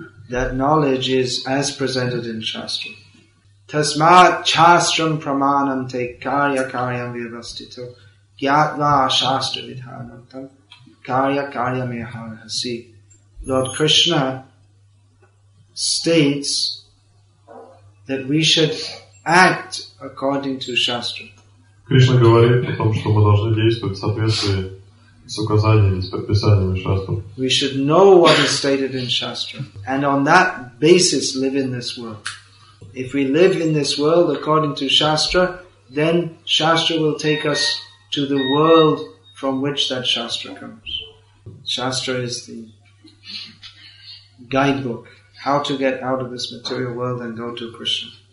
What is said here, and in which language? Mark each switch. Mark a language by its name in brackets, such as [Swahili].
[English] That knowledge is as presented in Shastra. [Sanskrit] Tasmat Shastram Pramanam Te Karya Karyam Vyavastito Gyatva Shastra Vidhanantam Karya Karyam Yaharasi. [English] Lord Krishna states that we should act according to Shastra. [Russian] Krishna говорит о том, что мы должны действовать в соответствии с указаниями, с предписаниями Шастры. [English] We should know what is stated in Shastra, and on that basis live in this world. If we live in this world according to Shastra, then Shastra will take us to the world from which that Shastra comes. Shastra is the guidebook, how to get out of this material world and go to Krishna.